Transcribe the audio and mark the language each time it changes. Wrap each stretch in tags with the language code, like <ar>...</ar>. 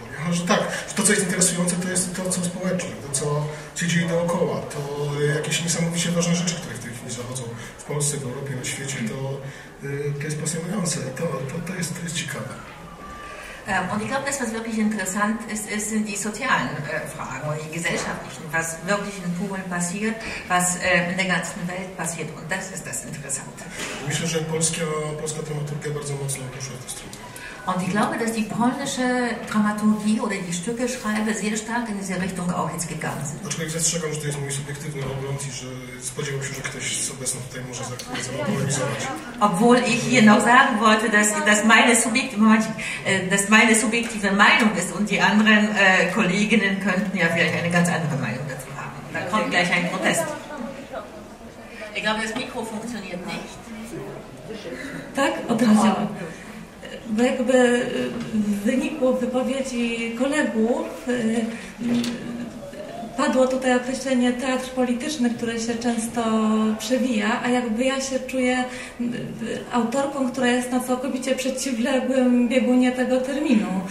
<pl>Że tak, to co jest interesujące, to jest to, co społeczne, to co się dzieje dookoła, to jakieś niesamowicie ważne rzeczy, które w tej chwili zachodzą w Polsce, w Europie, na świecie, to jest pasjonujące, to jest ciekawe.</pl> <de>Und ich glaube, das, was wirklich interessant ist, sind die sozialen Fragen und die gesellschaftlichen, was wirklich in Polen passiert, was in der ganzen Welt passiert. Und das ist das Interessante.</de> <pl>Myślę, że polska dramaturgia bardzo mocno poszła w tę stronę.</pl> <de>Und ich glaube, dass die polnische Dramaturgie oder die Stücke schreibe sehr stark in diese Richtung auch jetzt gegangen sind.</de> <pl>Aczkolwiek zastrzegam, że to jest mój subiektywny ogląd i że spodziewam się, że ktoś z obecnych tutaj może zaktualizować.</pl> <de>Obwohl ich hier noch sagen wollte, dass meine subjektive Meinung ist und die anderen Kolleginnen könnten ja vielleicht eine ganz andere Meinung dazu haben. Da kommt gleich ein Protest. Ich glaube, das Mikro funktioniert nicht.</de> <pl>Tak, od razu. Bo jakby w wyniku wypowiedzi kolegów padło tutaj określenie teatr polityczny, które się często przewija, a jakby ja się czuję autorką, która jest na całkowicie przeciwległym biegunie tego terminu.</pl>